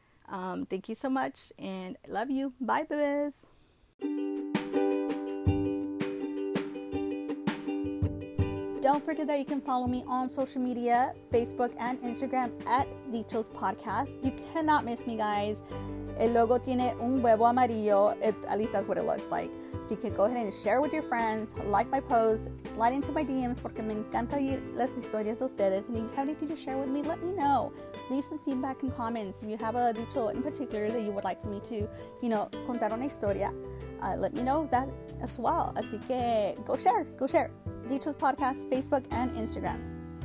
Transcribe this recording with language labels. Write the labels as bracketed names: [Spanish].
[English] Thank you so much and love you. Bye, babies. Don't forget that you can follow me on social media, Facebook and Instagram at Dichos Podcast. You cannot miss me, guys. [Spanish] El logo tiene un huevo amarillo. [English] At least that's what it looks like. So you can go ahead and share with your friends, like my posts, slide into my DMs, [Spanish] porque me encanta oír las historias de ustedes. [English] And if you have anything to share with me, let me know. Leave some feedback and comments. If you have a dicho in particular that you would like for me to, you know, [Spanish] contar una historia, [English] let me know that as well. [Spanish] Así que [English] go share. Dichos Podcast, Facebook, and Instagram.